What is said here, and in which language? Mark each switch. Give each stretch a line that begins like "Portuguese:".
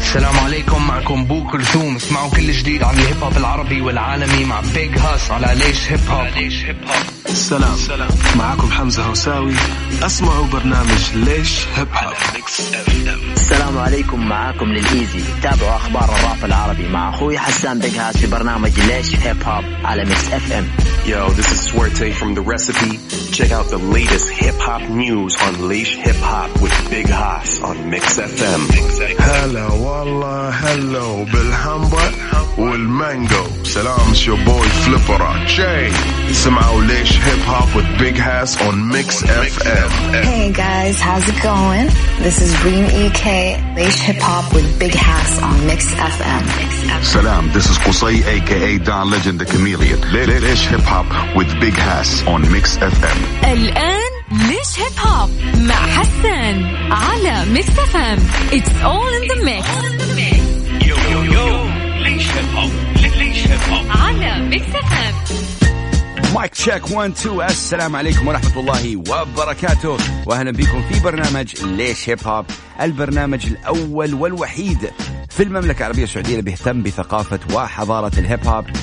Arabic: Salaam alaikum, معكم بو كلثوم. اسمعوا كل جديد عن الهيب هوب العربي والعالمي مع Big Hoss على Laish Hip Hop. السلام. السلام. معكم حمزة هوساوي. اسمعوا برنامج Laish Hip Hop. السلام عليكم, معكم للإيزي. تابعوا أخبار الراب العربي مع أخوي حسان Big Hoss في برنامج Laish Hip Hop على Mix FM.
English: Yo, this is Swerte from The Recipe. Check out the latest hip-hop news on Laish Hip Hop with Big Hoss on Mix FM. Hello, walla, hello, Bilhamba, Will Mango. Salam, it's your boy Flipper J. Somehow Laish Hip Hop with Big Hoss on Mix FM. Hey guys, how's it going? This is Reem EK, Laish Hip Hop with Big Hoss on Mix FM. Salam, this is Qusay, aka Don Legend the Chameleon. Laish Hip Hop with Big Hoss on Mix FM.
Arabic: الآن ليش هيب هوب مع حسن على ميكس اف ام.
English: It's all in the mix. Yo, yo, yo, ليش hip hop, ليش hip hop
Arabic: على ميكس اف ام.
English: Mic check 1 2.
Arabic: السلام عليكم ورحمة الله وبركاته, وأهلا بكم في برنامج ليش هيب هوب, البرنامج الأول والوحيد في المملكة العربية السعودية اللي بيهتم بثقافة وحضارة الهيب هوب.